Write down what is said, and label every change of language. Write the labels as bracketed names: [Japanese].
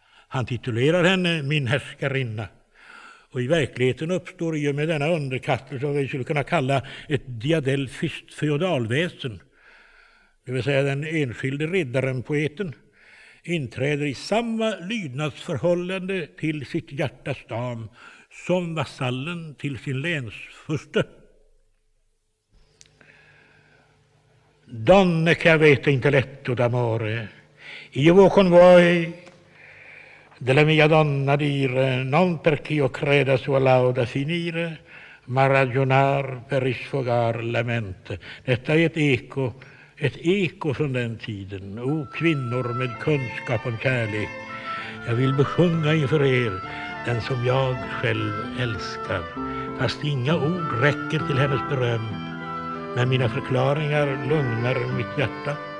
[Swedish] Han titulerar henne min härskarinna. Och i verkligheten uppstår ju med denna underkastelse som vi skulle kunna kalla ett diadelfiskt feodalväsen. Det vill säga den enskilde riddaren, poeten, inträder i samma lydnadsförhållande till sitt hjärtas dam som vasallen till sin länsfurste. [Italian] Donne che avete intelletto d'amore, io vo con voi della mia donna dire, non perché io creda sua lauda finire, ma ragionar per risfogar la mente. [Swedish] Detta è ett eko från den tiden. O kvinnor med kunskap om kärlek, jag vill besjunga inför er den som jag själv älskar. Fast inga ord räcker till hennes beröm, men mina förklaringar lugnar mitt hjärta.